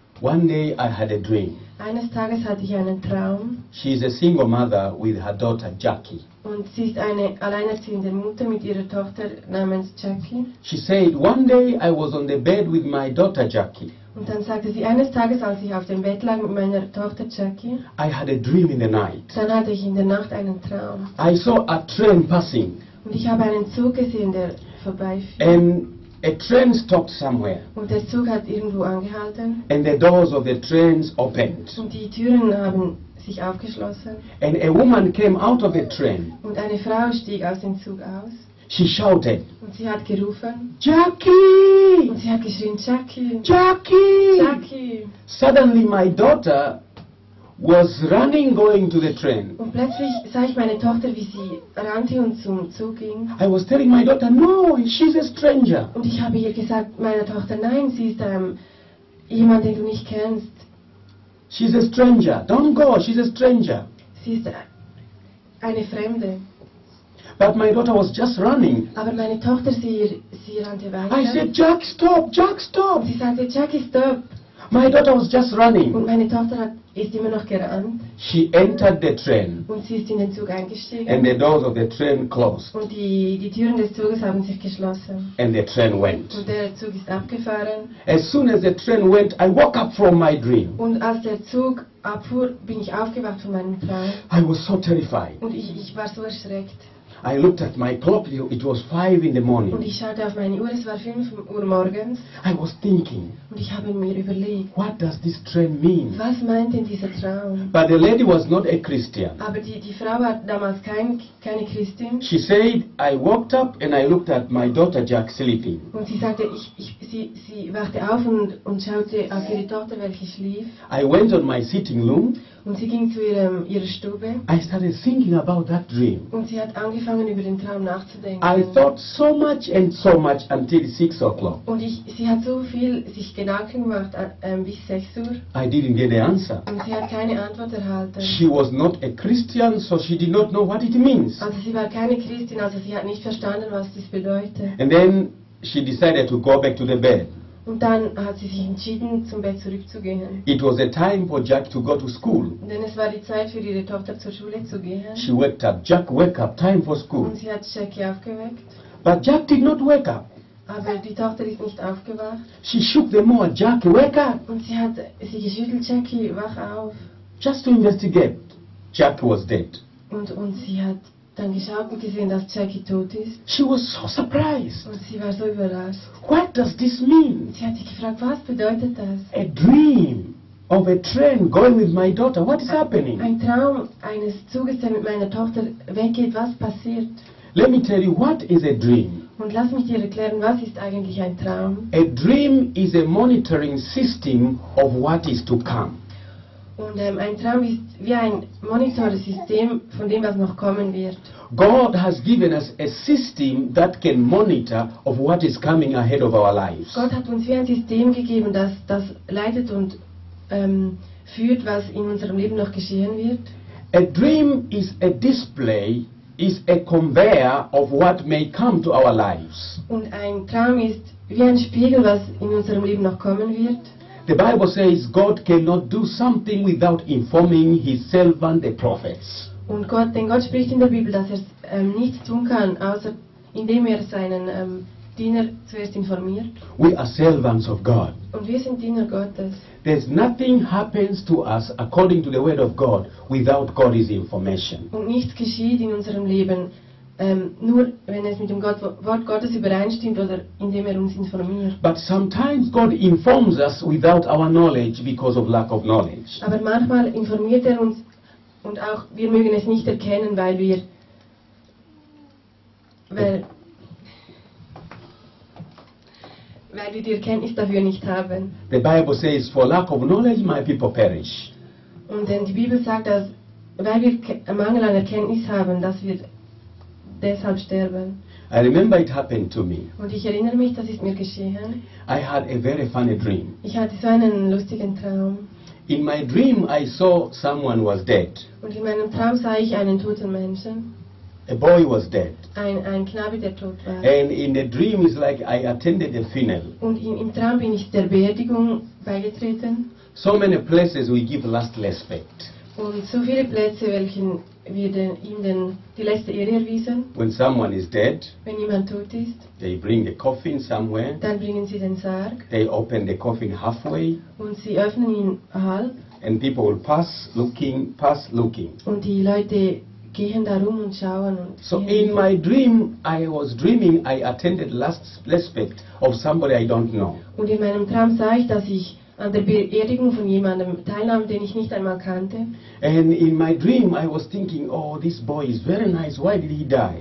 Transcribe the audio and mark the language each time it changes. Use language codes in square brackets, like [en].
[en] One day I had a dream. [de] Eines Tages hatte ich einen Traum. [en] She is a single mother with her daughter Jackie. [de] Und sie ist eine alleinerziehende Mutter mit ihrer Tochter namens Jackie. [en] She said, one day I was on the bed with my daughter Jackie. [de] Und dann sagte sie, eines Tages, als ich auf dem Bett lag mit meiner Tochter Jackie, [en] I had a dream in the night. [de] Dann hatte ich in der Nacht einen Traum. [en] I saw a train passing. [de] Und ich habe einen Zug gesehen, der vorbeifiel. [en] And a train stopped somewhere. [de] Und der Zug hat irgendwo angehalten. [en] And the doors of the trains opened. [de] Und die Türen haben sich aufgeschlossen. [en] And a woman came out of the train. [de] Und eine Frau stieg aus dem Zug aus. [en] She shouted. [de] Und sie hat gerufen. [en] Jackie! [de] Und sie hat geschrien, Jackie! Jackie! Jackie! [en] Suddenly my daughter was running going to the train. [de] Und plötzlich sah ich meine Tochter, wie sie rannte und zum Zug ging. [en] I was telling my daughter, no, she's a stranger. [de] Und ich habe ihr gesagt, meiner Tochter, nein, sie ist jemand, den du nicht kennst. [en] She's a stranger. Don't go, she's a stranger. [de] Sie ist eine Fremde. [en] But my daughter was just running. [de] Aber meine Tochter, sie rannte weiter. [en] I said, Jack, stop, Jack, stop. [de] Sie sagte, Jackie, stop. [en] My daughter was just running. [de] Und meine Tochter ist immer noch gerannt. [en] She entered the train. [de] Und sie ist in den Zug eingestiegen. [en] And the doors of the train closed. [de] Und die Türen des Zuges haben sich geschlossen. [en] And the train went. [de] Und der Zug ist abgefahren. [en] As soon as the train went, I woke up from my dream. [de] Und als der Zug abfuhr, bin ich aufgewacht von meinem Traum. [en] I was so terrified. [de] Und ich war so erschreckt. [en] I looked at my clock, it was 5 in the morning. [de] Und ich schaute auf meine Uhr, es war 5 Uhr morgens. [en] I was thinking. [de] Und ich habe mir überlegt. [en] What does this dream mean? [de] Was meint denn dieser Traum? [en] But the lady was not a Christian. [de] Aber die Frau war damals keine Christin. [en] She said, I woke up and I looked at my daughter Jack sleeping. [de] Und sie sagte, sie wachte auf und schaute auf ihre Tochter, welche schlief. [en] I went on my sitting room. [de] Und sie ging zu ihrer Stube. [en] I started thinking about that dream. [de] Und sie hat angefangen, über den Traum nachzudenken. [en] I thought so much and so much until 6 o'clock. [de] Und sie hat so viel sich Gedanken gemacht bis 6 Uhr. [en] I didn't get the answer. [de] Und sie hat keine Antwort erhalten. [en] She was not a Christian, so she did not know what it means. [de] Also sie war keine Christin, also sie hat nicht verstanden, was das bedeutet. [en] And then she decided to go back to the bed. [de] Und dann hat sie sich entschieden, zum Bett zurückzugehen. [en] It was a time for Jack to go to school. [de] Denn es war die Zeit für ihre Tochter zur Schule zu gehen. [en] She woke up. Jack woke up. Time for school. [de] Und sie hat Jackie aufgeweckt. [en] But Jack did not wake up. [de] Aber die Tochter ist nicht aufgewacht. [en] She shook them all. Jack, wake up. [de] Und sie hat sie geschüttelt. Jackie, wach auf. [en] Just to investigate. Jack was dead. [de] Und sie hat dann geschaut und gesehen, dass Jackie tot ist. [en] She was so surprised. [de] Und sie war so überrascht. [en] What does this mean? [de] Sie hat sich gefragt, was bedeutet das? [en] A dream of a train going with my daughter. What is happening? [de] Ein Traum eines Zuges, der mit meiner Tochter weggeht. Was passiert? [en] Let me tell you, what is a dream? [de] Und lass mich dir erklären, was ist eigentlich ein Traum? [en] A dream is a monitoring system of what is to come. [de] Und ein Traum ist wie ein Monitorsystem von dem, was noch kommen wird. [en] God has given us a system that can monitor of what is coming ahead of our lives. [de] Gott hat uns wie ein System gegeben, das leitet und führt, was in unserem Leben noch geschehen wird. [en] A dream is a display, is a conveyor of what may come to our lives. [de] Und ein Traum ist wie ein Spiegel, was in unserem Leben noch kommen wird. [en] The Bible says God cannot do something without informing His servant, the prophets. [de] Und Gott spricht in der Bibel, dass er nichts tun kann, außer indem er seinen Diener zuerst informiert. [en] We are servants of God. [de] Und wir sind Diener Gottes. [en] There's nothing happens to us according to the word of God without God's information. [de] Und nichts geschieht in unserem Leben nur wenn es mit dem Wort Gottes übereinstimmt oder indem er uns informiert. [en] But sometimes God informs us without our knowledge because of lack of knowledge. [de] Aber manchmal informiert er uns und auch wir mögen es nicht erkennen, weil wir weil wir die Erkenntnis dafür nicht haben. [en] The Bible says, for lack of knowledge, my people perish. [de] Und denn die Bibel sagt, dass weil wir Mangel an Erkenntnis haben, dass wir deshalb sterben. [en] I remember it happened to me. [de] Und ich erinnere mich, das ist mir geschehen. [en] I had a very funny dream. [de] Ich hatte so einen lustigen Traum. [en] In my dream, I saw someone was dead. [de] Und in meinem Traum sah ich einen toten Menschen. [en] A boy was dead. [de] Ein Knabe, der tot war. [en] And in the dream is like I attended the funeral. [de] Und im Traum bin ich der Beerdigung beigetreten. [en] So many places we give last respect. [de] Und so viele Plätze, welchen wir ihm die letzte Ehre erwiesen. [en] When someone is dead, [de] wenn jemand tot ist, [en] they bring the coffin somewhere. [de] Dann bringen sie den Sarg. [en] They open the coffin halfway. [de] Und sie öffnen ihn halb. [en] And people will pass looking. [de] Und die Leute gehen darum und schauen und [en] so in my dream I was dreaming I attended last respect of somebody I don't know. [de] Und in meinem Traum sah ich, dass ich an der Beerdigung von jemandem teilnahm, den ich nicht einmal kannte. [en] And in my dream I was thinking, oh, this boy is very nice, why did he die?